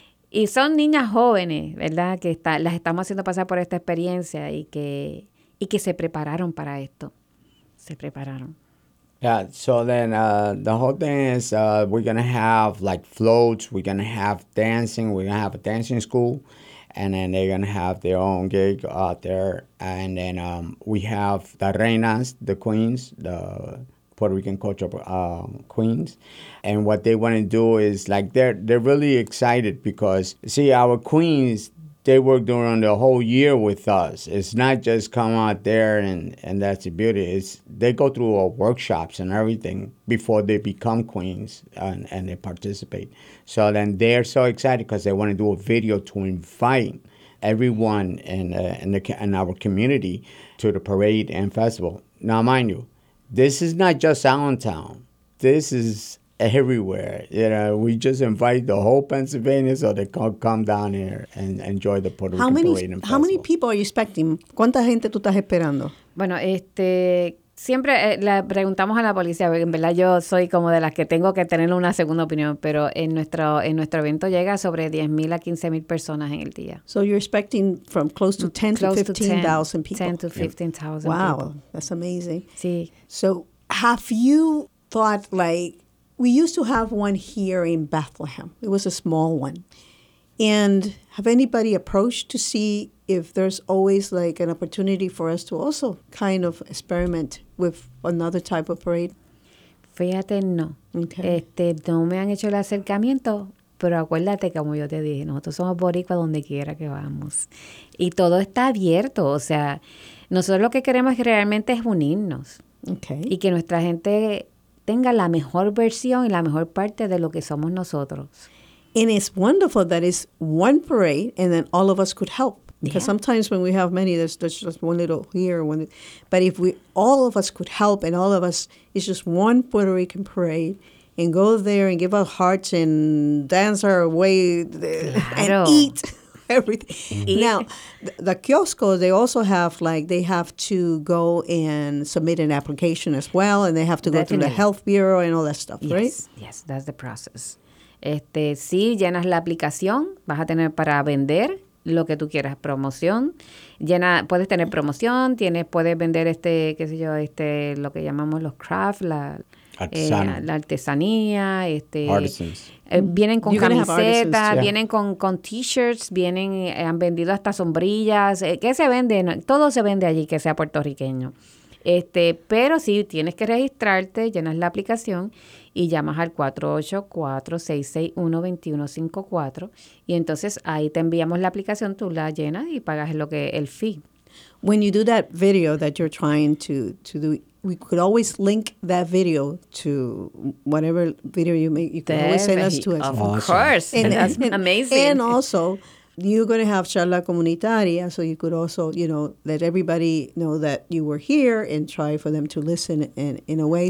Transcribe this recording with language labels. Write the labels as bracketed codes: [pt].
[es] Y son niñas jóvenes, ¿verdad? Que las estamos haciendo pasar por esta experiencia y que se prepararon para esto. Se prepararon. [en] Yeah, so then the whole thing is we're going to have like floats, we're going to have dancing, we're going to have a dancing school, and then they're going to have their own gig out there. And then we have the reinas, the queens, the Puerto Rican culture queens, and what they want to do is like they're really excited because see our queens, they work during the whole year with us. It's not just come out there and that's the beauty. It's they go through our workshops and everything before they become queens and they participate. So then they're so excited because they want to do a video to invite everyone in our community to the parade and festival. Now mind you, this is not just Allentown. This is everywhere. You know, we just invite the whole Pennsylvania so they can come down here and enjoy the Puerto Rican parade and festival. How many people are you expecting? [es] ¿Cuánta gente tú estás esperando? Bueno, siempre le preguntamos a la policía, porque en verdad yo soy como de las que tengo que tener una segunda opinión, pero en nuestro evento llega sobre 10,000 a 15,000 personas en el día. [en] So you're expecting from close to 10,000 to 15,000 people. 10,000 to 15,000 Wow, people. That's amazing. [es] Sí. [en] So have you thought, like, we used to have one here in Bethlehem. It was a small one. And have anybody approached to see if there's always like an opportunity for us to also kind of experiment with another type of parade? [es] Fíjate, no. [en] Okay. [es] No me han hecho el acercamiento, pero acuérdate, como yo te dije, nosotros somos boricua donde quiera que vamos. Y todo está abierto. O sea, nosotros lo que queremos realmente es unirnos. [en] Okay. [es] Y que nuestra gente tenga la mejor versión y la mejor parte de lo que somos nosotros. [en] And it's wonderful that it's one parade and then all of us could help. Because yeah. Sometimes when we have many, there's just one little here. But if we all of us could help and all of us, it's just one Puerto Rican parade and go there and give our hearts and dance our way [es] claro. [en] And eat everything. Mm-hmm. Now, the kiosco, they also have like they have to go and submit an application as well. And they have to Definitely. Go through the health bureau and all that stuff, yes. Right? Yes, that's the process. [es] Sí, llenas la aplicación, vas a tener para vender lo que tú quieras, promoción, puedes tener promoción, puedes vender lo que llamamos los crafts, la artesanía, [en] artisans. [es] Vienen con camisetas, vienen con t-shirts, han vendido hasta sombrillas, ¿qué se vende? No, todo se vende allí que sea puertorriqueño. Pero sí, tienes que registrarte, llenas la aplicación y llamas al 484-661-2154 y entonces ahí te enviamos la aplicación, tú la llenas y pagas el fee. [en] When you do that video that you're trying to do, we could always link that video to whatever video you make. You can always send us to us. Of course. And that's amazing. And also, you're going to have Charla Comunitaria, so you could also, you know, let everybody know that you were here and try for them to listen in a way.